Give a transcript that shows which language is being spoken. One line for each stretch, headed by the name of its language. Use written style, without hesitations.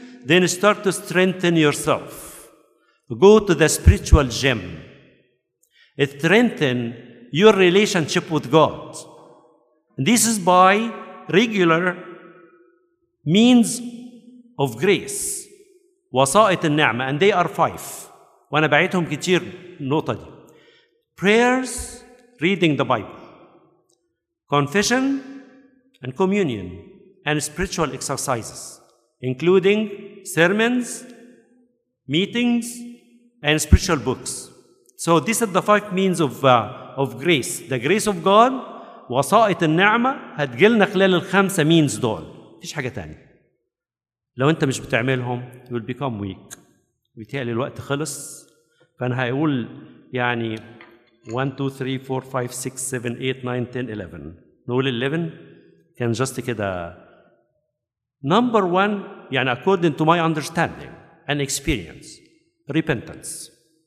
English: Then start to strengthen yourself. Go to the spiritual gym. Strengthen your relationship with God. And this is by regular means of grace.
Arabic: وسائط النعمة.
English: And they are five.
Arabic: وأنا بعيتهم كتير النقطة دي.
English: Prayers, reading the Bible. Confession and communion. And spiritual exercises, including sermons, meetings, and spiritual books. So these are the five means of grace. The grace of God,
Arabic: وسائط النعمة, هتجيلنا خلال الخمسة means دول. فيش حاجة تانية. لو انت مش بتعملهم,
English: you will become weak.
Arabic: بيتهيألي الوقت خلص. فأنا هقول يعني 1, 2, 3, 4, 5, 6, 7, 8, 9, 10, 11. نقول 11 كان just كده.
English: Number one, يعني according to my understanding and experience, repentance.